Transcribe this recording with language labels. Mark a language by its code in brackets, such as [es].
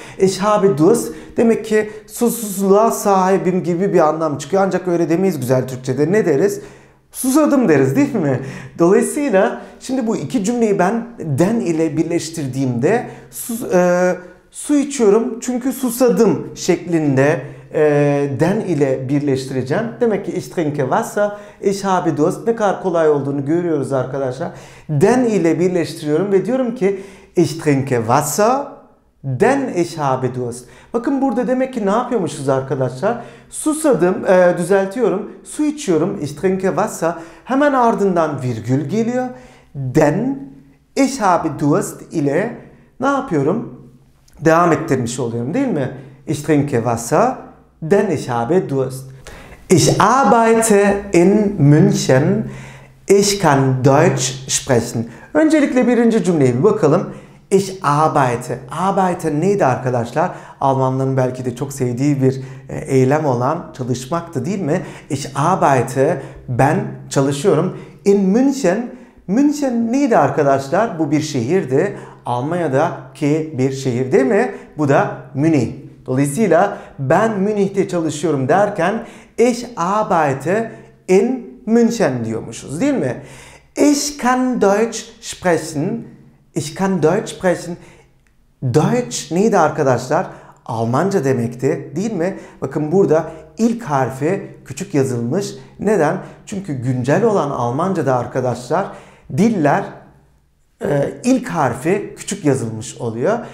[de] Ich habe Durst [tr] demek ki susuzluğa sahibim gibi bir anlam çıkıyor. Ancak öyle demeyiz güzel Türkçe'de. Ne deriz? Susadım deriz değil mi? Dolayısıyla şimdi bu iki cümleyi ben den ile birleştirdiğimde su içiyorum çünkü susadım şeklinde den ile birleştireceğim. Demek ki [de] ich trinke Wasser, ich habe Durst. [tr] Ne kadar kolay olduğunu görüyoruz arkadaşlar. Den ile birleştiriyorum ve diyorum ki [de] ich trinke Wasser, den ich habe Durst. [tr] Bakın burada demek ki ne yapıyormuşuz arkadaşlar? Susadım, düzeltiyorum. Su içiyorum, [de] ich trinke Wasser. [tr] Hemen ardından virgül geliyor. [de] Den ich habe Durst [tr] ile ne yapıyorum? Devam ettirmiş oluyorum değil mi? [de] Ich trinke Wasser, denn ich habe Durst. Ich arbeite in München, ich kann Deutsch sprechen. [tr] Öncelikle birinci cümleye bir bakalım. [de] Ich arbeite. [tr] Arbeite neydi arkadaşlar? Almanların belki de çok sevdiği bir eylem olan çalışmaktı değil mi? [de] Ich arbeite, [tr] ben çalışıyorum. In München, München neydi arkadaşlar? Bu bir şehirdi. Almanya'daki bir şehir değil mi? Bu da Münih. Dolayısıyla ben Münih'te çalışıyorum derken [de] ich arbeite in München [tr] diyormuşuz değil mi? [de] Ich kann Deutsch sprechen. Ich kann Deutsch sprechen. [tr] Deutsch neydi arkadaşlar? Almanca demekti değil mi? Bakın burada ilk harfi küçük yazılmış. Neden? Çünkü güncel olan Almanca'da arkadaşlar diller ilk harfi küçük yazılmış oluyor.